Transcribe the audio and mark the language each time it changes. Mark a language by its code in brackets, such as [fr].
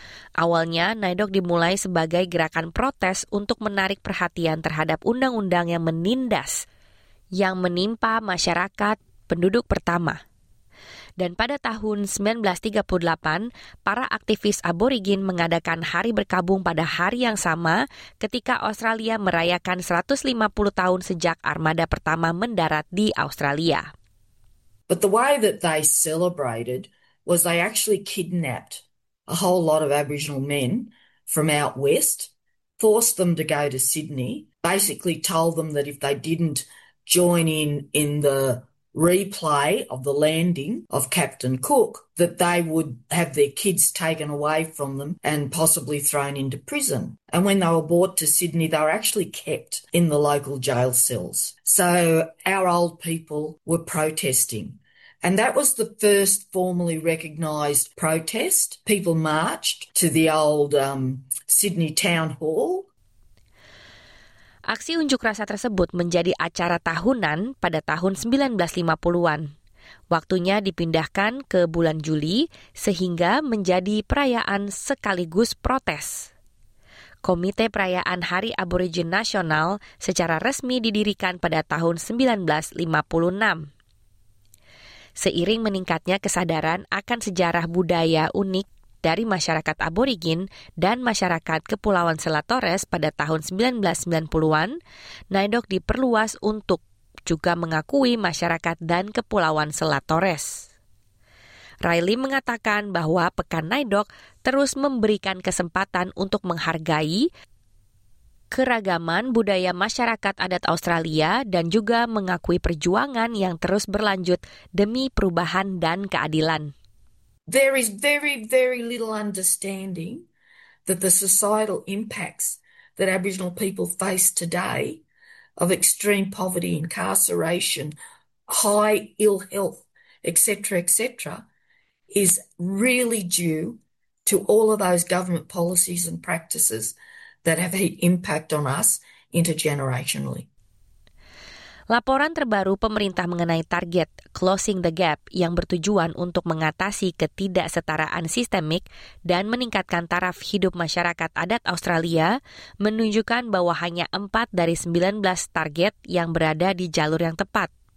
[id] Awalnya, NAIDOC dimulai sebagai gerakan protes untuk menarik perhatian terhadap undang-undang yang menindas, yang menimpa masyarakat penduduk pertama. Dan pada tahun 1938, para aktivis Aborigin mengadakan hari berkabung pada hari yang sama ketika Australia merayakan 150 tahun sejak armada pertama mendarat di Australia. [en] But the way that they celebrated was they actually kidnapped a whole lot of Aboriginal men from out west, forced them to go to Sydney, basically told them that if they didn't join in the replay of the landing of Captain Cook, that they would have their kids taken away from them and possibly thrown into prison. And when they were brought to Sydney, they were actually kept in the local jail cells. So our old people were protesting. And that was the first formally recognised protest. People marched to the old Sydney Town Hall. [id] Aksi unjuk rasa tersebut menjadi acara tahunan pada tahun 1950-an. Waktunya dipindahkan ke bulan Juli sehingga menjadi perayaan sekaligus protes. Komite Perayaan Hari Aborigin Nasional secara resmi didirikan pada tahun 1956. Seiring meningkatnya kesadaran akan sejarah budaya unik dari masyarakat Aborigin dan masyarakat Kepulauan Selat Torres pada tahun 1990-an, NAIDOC diperluas untuk juga mengakui masyarakat dan Kepulauan Selat Torres. Riley mengatakan bahwa Pekan NAIDOC terus memberikan kesempatan untuk menghargai keragaman budaya masyarakat adat Australia dan juga mengakui perjuangan yang terus berlanjut demi perubahan dan keadilan. [en] There is very, very little understanding that the societal impacts that Aboriginal people face today of extreme poverty, incarceration, high ill health, et cetera, is really due to all of those government policies and practices that have had impact on us intergenerationally. [id] Laporan terbaru pemerintah mengenai target Closing the Gap yang bertujuan untuk mengatasi ketidaksetaraan sistemik dan meningkatkan taraf hidup masyarakat adat Australia menunjukkan bahwa hanya 4 dari 19 target yang berada di jalur yang tepat.